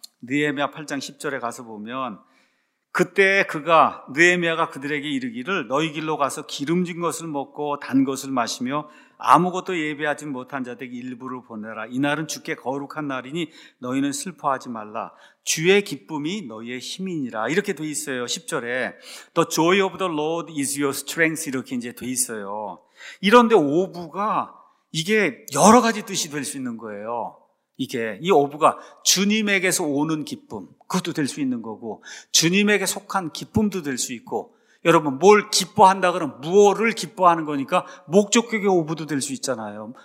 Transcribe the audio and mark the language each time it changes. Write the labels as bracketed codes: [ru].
[ko] 느헤미야 8장 10절에 가서 보면, 그때 그가, 느헤미야가 그들에게 이르기를, 너희 길로 가서 기름진 것을 먹고 단 것을 마시며 아무것도 예배하지 못한 자들에게 일부를 보내라. 이날은 주께 거룩한 날이니 너희는 슬퍼하지 말라. 주의 기쁨이 너희의 힘이니라. 이렇게 돼 있어요. 10절에. [en] The joy of the Lord is your strength. [ko] 이렇게 이제 돼 있어요. 이런데 오부가 이게 여러 가지 뜻이 될 수 있는 거예요. 이게 이 오부가 주님에게서 오는 기쁨, 그것도 될 수 있는 거고, 주님에게 속한 기쁨도 될 수 있고, 여러분 뭘 기뻐한다 그러면 무엇을 기뻐하는 거니까 목적격의 오부도 될 수 있잖아요.